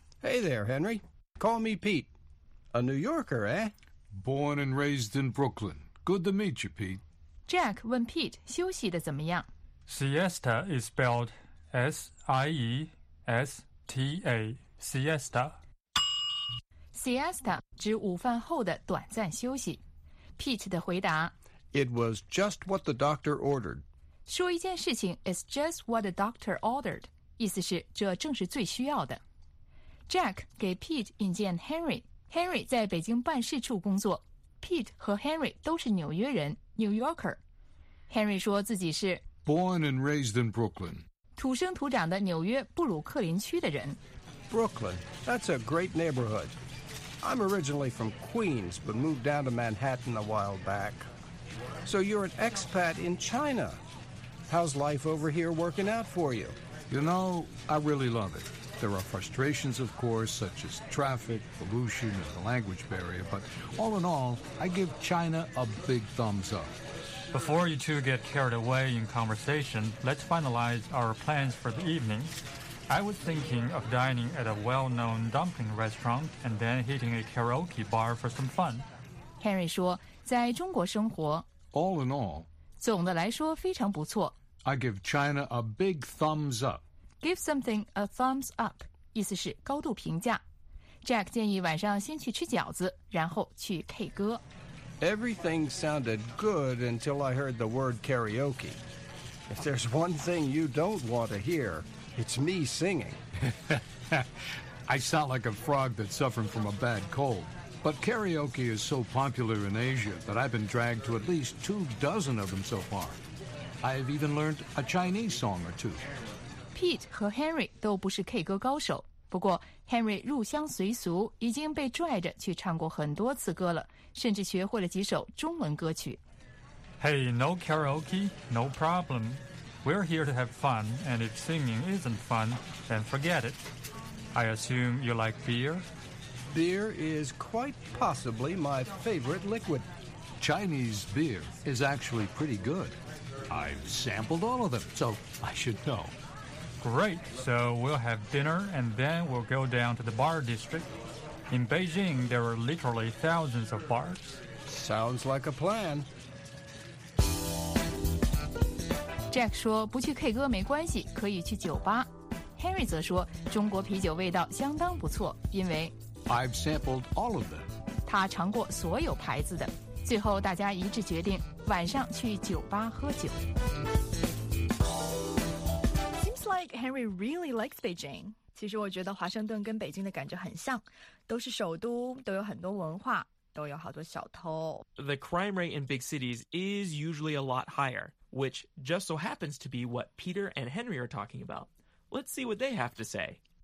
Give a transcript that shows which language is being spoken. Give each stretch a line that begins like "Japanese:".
English: Hey there, Henry. Call me Pete. A New Yorker, eh? Born and raised in Brooklyn. Good to meet you, Pete.
Chinese: Jack 问 Pete 休息的怎么样。
English: Siesta is spelled S-I-E-S-T-A. Siesta.
Chinese: Siesta 指午饭后的短暂休息。 Pete 的回答
English: ：It was just what the doctor ordered.
Chinese: 说一件事情
English: is just what the doctor ordered，
Chinese: 意思是这正是最需要的。 Jack 给 Pete 引荐 Henry。 Henry 在北京办事处工作。 Pete 和 Henry 都是纽约人 ，New Yorker。 Henry 说自己是
English: born and raised in Brooklyn，
Chinese: 土生土长的纽约布鲁克林区的人。
English: Brooklyn， that's a great neighborhood. I'm originally from Queens, but moved down to Manhattan a while back. So you're an expat in China. How's life over here working out for you? You know, I really love it. There are frustrations, of course, such as traffic, pollution, and the language barrier. But all in all, I give China a big thumbs up. Before you two get carried away in conversation, let's finalize our plans for the evening. I was thinking of dining at a well-known dumpling restaurant and then hitting a karaoke bar for some fun.
Chinese: Henry 说在中国生活
English: All in all,
Chinese: 总的来说非常不错
English: I give China a big thumbs up. Give something a thumbs up,
Chinese: 意思是高度评价。 Jack 建议晚上先去吃饺子然后去 K 歌。
English: Everything sounded good until I heard the word karaoke. If there's one thing you don't want to hear... It's me singing. I sound like a frog that's suffering from a bad cold. But karaoke is so popular in Asia that I've been dragged to at least 24 of them so far. I have even learned a Chinese song or two.
Chinese: Pete 和 Henry 都不是 K 歌高手。不过 Henry 入乡随俗，已经被拽着去唱过很多次歌了，甚至学会了几首中文歌曲。
English: Hey, no karaoke, no problem. We're here to have fun, and if singing isn't fun, then forget it. I assume you like beer? beer is quite possibly my favorite liquid. Chinese beer is actually pretty good. I've sampled all of them, so I should know. Great, so we'll have dinner and then we'll go down to the bar district. In Beijing, there are literally thousands of bars. Sounds like a plan.
Chinese: Jack 说不去 K 歌没关系，可以去酒吧。Harry 则说中国啤酒味道相当不错，因为
English: I've sampled all of them，
Chinese: 他尝过所有牌子的。最后大家一致决定晚上去酒吧喝酒。
English: Seems like Harry really likes Beijing。
Chinese: 其实我觉得华盛顿跟北京的感觉很像，都是首都，都有很多文化，都有好多小偷。
English: The crime rate in big cities is usually a lot higherwhich just so happens to be what Peter and Henry are talking about. Let's see what they have to say.